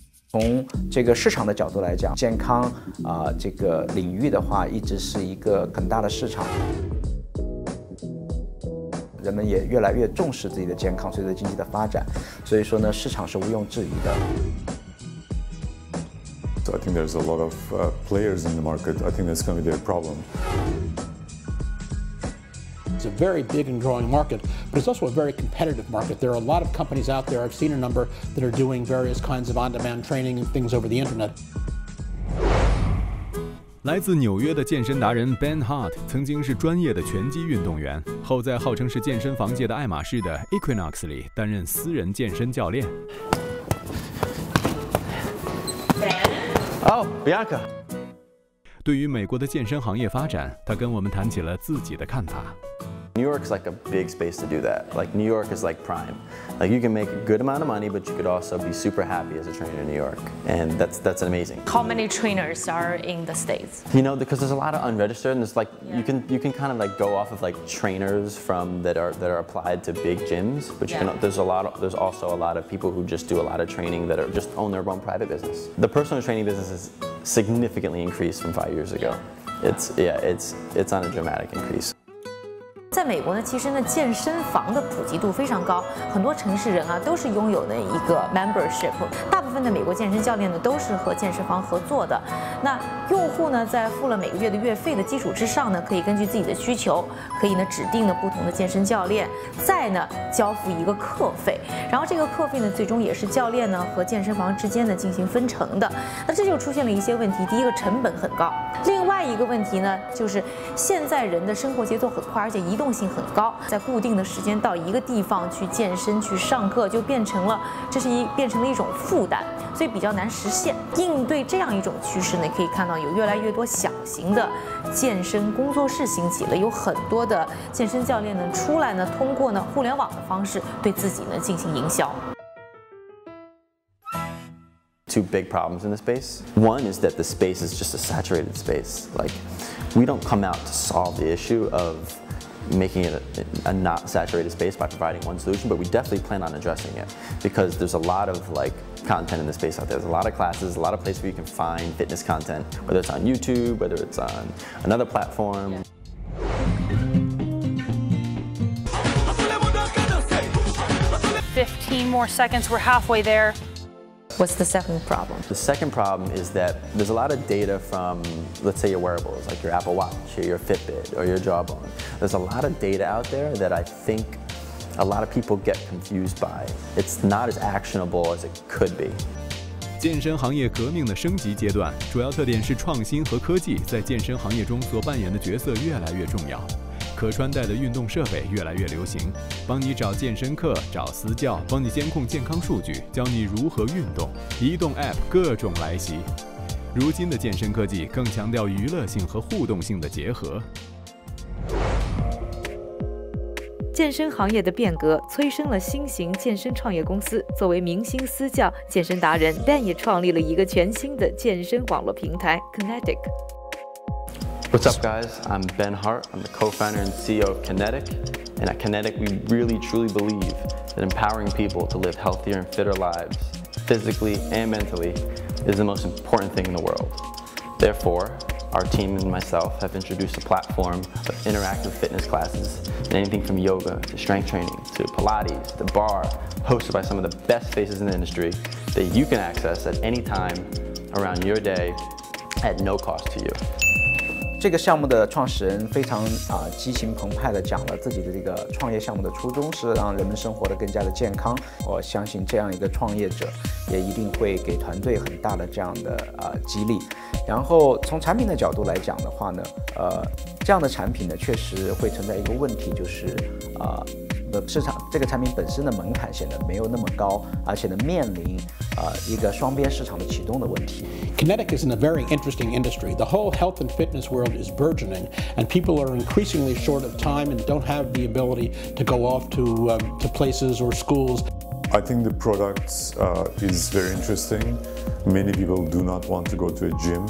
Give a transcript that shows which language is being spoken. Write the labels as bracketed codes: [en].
[zh] 从这个市场的角度来讲，健康这个领域的话，一直是一个很大的市场。人们也越来越重视自己的健康，随着经济的发展，所以说呢，市场是毋庸置疑的。 [en] So I think there's a lot of players in the market. I think that's going to be a problem. It's a very big and growing market, but it's also a very competitive market. There are a lot of companies out there. I've seen a number that are doing various kinds of on-demand training and things over the internet. [zh] 来自纽约的健身达人 Ben Hart 曾经是专业的拳击运动员，后在号称是健身房界的爱马仕的 Equinox 里担任私人健身教练。 Bianca，对于美国的健身行业发展，他跟我们谈起了自己的看法。 [en] New York is like a big space to do that. Like New York is like prime. Like you can make a good amount of money, but you could also be super happy as a trainer in New York. And that's amazing. How many trainers are in the States? You know, because there's a lot of unregistered, and it's like you can kind of like go off of like trainers from that are applied to big gyms. But you can, there's also a lot of people who just do a lot of training that are just own their own private business. The personal training business has significantly increased from 5 years ago. It's on a dramatic increase. [zh] 在美国呢，其实呢，健身房的普及度非常高，很多城市人啊都是拥有的一个 membership。大部分的美国健身教练呢都是和健身房合作的。那用户呢在付了每个月的月费的基础之上呢，可以根据自己的需求，可以呢指定了不同的健身教练，再呢交付一个课费。然后这个课费呢最终也是教练呢和健身房之间呢进行分成的。那这就出现了一些问题，第一个成本很高，另外一个问题呢就是现在人的生活节奏很快，而且移动性很高，在固定的时间到一个地方去健身去上课，就变成了一种负担，所以比较难实现。应对这样一种趋势呢，可以看到有越来越多小型的健身工作室兴起了，有很多的健身教练呢出来呢，通过呢互联网的方式对自己呢进行营销。 [en] Two big problems in the space. One is that the space is just a saturated space. Like, we don't come out to solve the issue of making it a not saturated space by providing one solution, but we definitely plan on addressing it because there's a lot of like content in the space out there. There's a lot of classes, a lot of places where you can find fitness content, whether it's on YouTube, whether it's on another platform. Yeah. 15 more seconds, we're halfway there. What's the second problem? The second problem is that there's a lot of data from, let's say your wearables, like your Apple Watch, or your Fitbit, or your Jawbone. There's a lot of data out there that I think a lot of people get confused by. It's not as actionable as it could be. [zh] 健身行业革命的升级阶段，主要特点是创新和科技在健身行业中所扮演的角色越来越重要。可穿戴的运动设备越来越流行，帮你找健身课、找私教，帮你监控健康数据，教你如何运动，移动 App 各种来袭。如今的健身科技更强调娱乐性和互动性的结合。健身行业的变革催生了新型健身创业公司。作为明星私教健身达人 Dan 也创立了一个全新的健身网络平台 Qinetic。 [en] What's up, guys? I'm Ben Hart. I'm the co-founder and CEO of Qinetic. And at Qinetic, we really truly believe that empowering people to live healthier and fitter lives, physically and mentally, is the most important thing in the world. Therefore, our team and myself have introduced a platform of interactive fitness classes and anything from yoga to strength training to Pilates to bar, hosted by some of the best faces in the industry that you can access at any time around your day at no cost to you. [zh] 这个项目的创始人非常激情澎湃地讲了自己的这个创业项目的初衷是让人们生活得更加的健康。我相信这样一个创业者也一定会给团队很大的这样的激励。然后从产品的角度来讲的话呢，这样的产品呢确实会存在一个问题，就是市场这个产品本身的门槛显得没有那么高，而且呢面临一个双边市场的启动的问题。 [en] Qinetic is in a very interesting industry. The whole health and fitness world is burgeoning, and people are increasingly short of time and don't have the ability to go off to places or schools. I think the product is very interesting. Many people do not want to go to a gym.